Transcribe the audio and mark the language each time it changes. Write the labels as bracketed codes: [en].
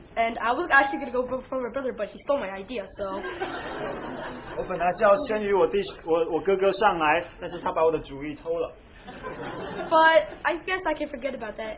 [en] And I was actually going to go before my brother, but he stole my idea, so. [zh] 我本来是要先于我哥哥上来，但是他把我的主意偷了。 [en] But I guess I can forget about that.